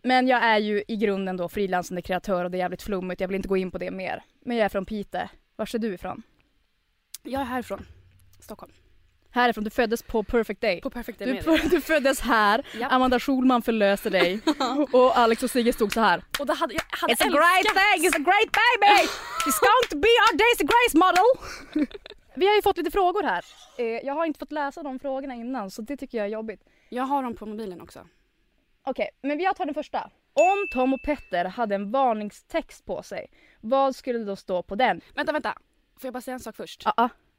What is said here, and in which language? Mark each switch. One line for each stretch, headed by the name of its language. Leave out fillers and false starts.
Swedish: Men jag är ju i grunden då frilansande kreatör och det är jävligt flummigt. Jag vill inte gå in på det mer. Men jag är från Piteå. Vars är du ifrån? Jag är härifrån. Stockholm. Härifrån. Du föddes på Perfect Day. På Perfect Day. Du föddes här. Yep. Amanda Schulman förlöste dig. Och Alex och Sigge stod så här. Och det hade, jag hade
English: It's älskat. A great thing. It's a great baby. It's going to be our Daisy Grace model.
Swedish: Vi har ju fått lite frågor här. Jag har inte fått läsa de frågorna innan, så det tycker jag är jobbigt. Jag har dem på mobilen också. Okej, men vi tar den första. Om Tom och Petter hade en varningstext på sig, vad skulle det då stå på den? Vänta, vänta. Får jag bara säga en sak först? Ja. Uh-uh.